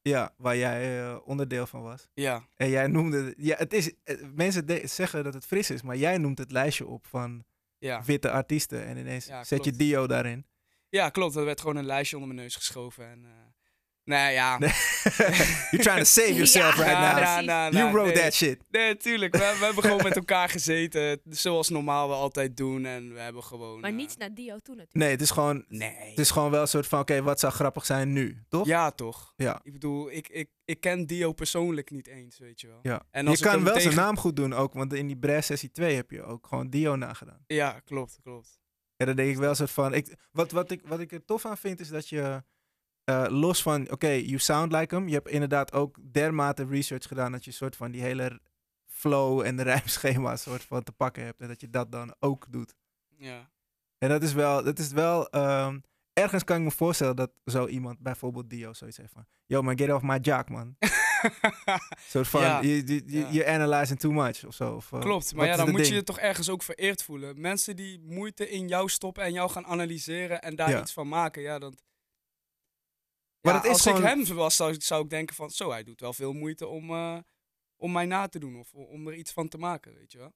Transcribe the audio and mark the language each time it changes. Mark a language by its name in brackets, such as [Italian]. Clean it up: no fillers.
[Dutch] Ja, waar jij onderdeel van was. Ja. En jij noemde... Mensen zeggen dat het Frisse is, maar jij noemt het lijstje op van witte artiesten. En ineens zet je Dio daarin. Ja, klopt. Dat werd gewoon een lijstje onder mijn neus geschoven. En Nee, ja. [English] You're trying to save yourself [Dutch] ja, [English] right now. You wrote that shit. [Dutch] Nee, tuurlijk. We hebben gewoon met elkaar gezeten. Zoals normaal we altijd doen. En we hebben gewoon... Maar niet naar Dio toe natuurlijk. Nee, het is gewoon... Nee. Het is gewoon wel een soort van... Oké, wat zou grappig zijn nu? Toch? Ja, toch. Ja. Ik bedoel, ik ken Dio persoonlijk niet eens, weet je wel. Ja. En als je kan wel zijn naam goed doen ook. Want in die Brass Sessie 2 heb je ook gewoon Dio nagedaan. Ja, klopt, klopt. Ja, dan denk ik wel een soort van... Wat ik er tof aan vind is dat je... los van, oké, [English] you sound like him. [Dutch] Je hebt inderdaad ook dermate research gedaan dat je soort van die hele flow en de rijmschema soort van te pakken hebt. En dat je dat dan ook doet. Ja. En dat is wel ergens kan ik me voorstellen dat zo iemand, bijvoorbeeld Dio, zoiets heeft van, [English] yo man, get off my jack, man. [Dutch] Soort van, ja. [English] you're analyzing too much [Dutch] of zo. Klopt, maar ja, dan moet je je toch ergens ook vereerd voelen. Mensen die moeite in jou stoppen en jou gaan analyseren en daar iets van maken, ja, dan... Maar ja, als gewoon... ik hem was, zou ik denken van... Zo, hij doet wel veel moeite om mij na te doen. Of om er iets van te maken, weet je wel.